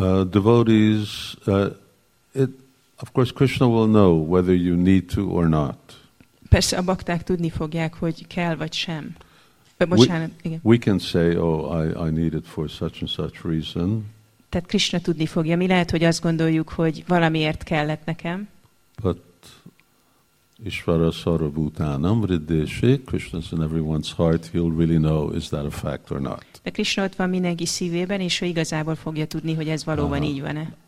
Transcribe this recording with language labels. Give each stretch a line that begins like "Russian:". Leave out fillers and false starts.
English: Devotees, it, of course, Krishna will know whether you need to or not.
Hungarian: Persze a bakták tudni fogják, hogy kell vagy sem.
English: We can say, oh, I need it for such and such reason.
Hungarian: Tehát Krishna tudni fogja. Mi lehet, hogy azt gondoljuk, hogy valamiért kellett nekem.
English: But
Sanskrit: Ishvara Sarvabhutanam Vriddheshek,
English: Krishna's in everyone's heart, he'll really know, is that a fact or not.
Hungarian: De Krishna ott van mindenki szívében, és ő igazából fogja tudni, hogy ez valóban így van-e.